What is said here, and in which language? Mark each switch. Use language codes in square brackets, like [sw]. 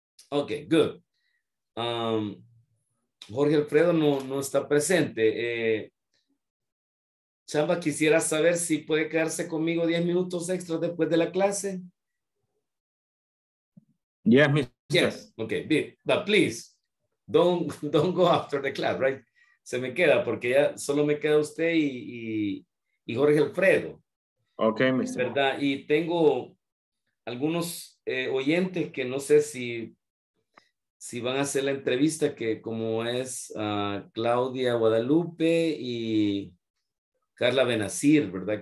[en] Okay, good. [es] Jorge Alfredo no está presente. Chama, quisiera saber si puede quedarse conmigo 10 minutos extra después de la clase. [en] Yes, Mr. Yes, okay, but please, don't go after the class, right? [es] Se me queda porque ya solo me queda usted y Jorge Alfredo. [en] Ok, mister. [es] ¿Verdad? Y tengo algunos oyentes que no sé si van a hacer la entrevista, que como es Claudia Guadalupe y Carla Benazir, ¿verdad?